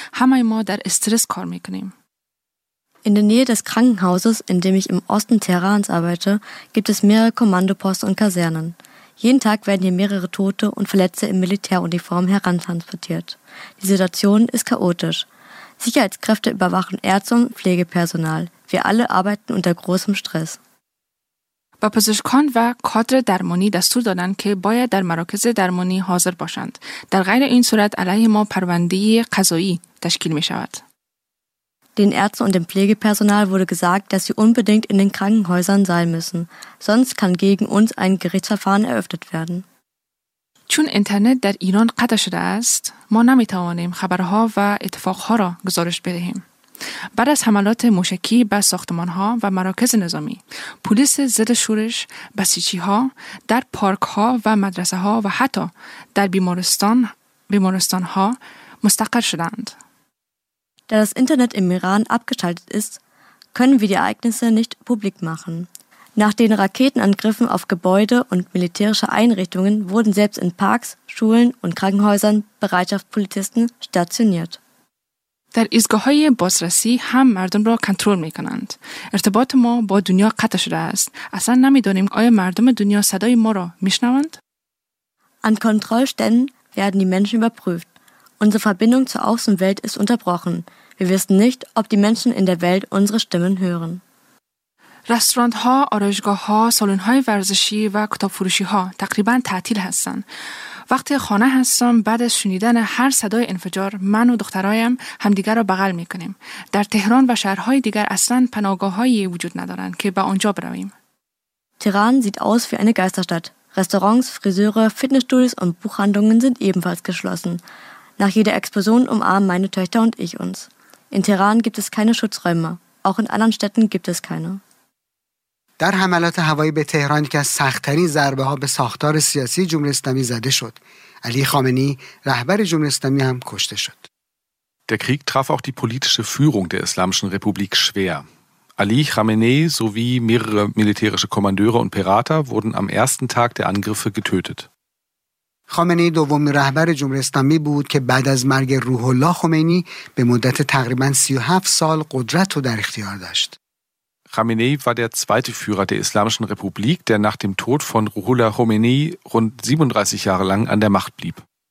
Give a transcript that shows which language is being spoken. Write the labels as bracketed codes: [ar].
[fa] همه ما در استرس کار می‌کنیم. [de] In der Nähe des Krankenhauses, in dem ich im Osten Teherans arbeite, gibt es mehrere Kommandoposten und Kasernen. Jeden Tag werden hier mehrere Tote und Verletzte in Militäruniform herantransportiert. Die Situation ist chaotisch. Sicherheitskräfte überwachen Ärzte und Pflegepersonal. Wir alle arbeiten unter großem Stress. [fa] به پزشکان و کادر درمانی دستور دادند که باید در مراکز درمانی حاضر باشند. در غیر این صورت علیه ما پرونده قضایی تشکیل می شود. [de] Den Ärzten und dem Pflegepersonal wurde gesagt, dass sie unbedingt in den Krankenhäusern sein müssen. Sonst kann gegen uns ein Gerichtsverfahren eröffnet werden. [fa] چون اینترنت در ایران قطع شده است، ما نمیتوانیم خبرها و اتفاقها را گزارش بدهیم. بعد از حملات موشکی به ساختمانها و مراکز نظامی، پلیس ضد شورش، بسیجی‌ها در پارک‌ها و مدرسه‌ها و حتی در بیمارستان‌ها مستقر شدند. [de] Da das Internet im Iran abgeschaltet ist, können wir die Ereignisse nicht publik machen. Nach den Raketenangriffen auf Gebäude und militärische Einrichtungen wurden selbst in Parks, Schulen und Krankenhäusern Bereitschaftspolizisten stationiert. [fa] در ایستگاه‌های بازرسی هم مردم را کنترل می‌کنند. ارتباط ما با دنیا قطع شده است. اصلا نمی‌دانیم آیا مردم دنیا صدای ما را می‌شنوند؟ [de] An Kontrollstellen werden die Menschen überprüft. Unsere Verbindung zur Außenwelt ist unterbrochen. Wir wissen nicht, ob die Menschen in der Welt unsere Stimmen hören. [fa] رستوران‌ها، آرایشگاه‌ها، سالن‌های ورزشی و کتاب‌فروشی‌ها تقریباً تعطیل هستند. وقتی خانه هستم بعد از شنیدن هر صدای انفجار من و دخترایم همدیگر را بغل میکنیم. در تهران و شهرهای دیگر اصلا پناهگاه‌هایی وجود ندارند که به آنجا برویم. [de] تهران sieht aus wie eine Geisterstadt. Restaurants, Friseure, Fitnessstudios und Buchhandlungen sind ebenfalls geschlossen. Nach jeder Explosion umarmen meine Töchter und ich uns. In Teheran gibt es keine Schutzräume. Auch in anderen Städten gibt es keine. [fa] در حملات هوایی به تهران که از سخت‌ترین ضربه‌ها به ساختار سیاسی جمهوری اسلامی زده شد. علی خامنه‌ای رهبر جمهوری اسلامی هم کشته شد. [de] Der Krieg traf auch die politische Führung der Islamischen Republik schwer. Ali Khamenei sowie mehrere militärische Kommandeure und Pirater wurden am ersten Tag der Angriffe getötet. [fa] خامنه‌ای دومین رهبر جمهوری اسلامی بود که بعد از مرگ روح الله خمینی به مدت تقریباً 37 سال قدرت رو در اختیار داشت. [de] Khamenei war der zweite Führer der Islamischen Republik, der nach dem Tod von Ruhollah Khomeini rund 37 Jahre lang an der Macht blieb.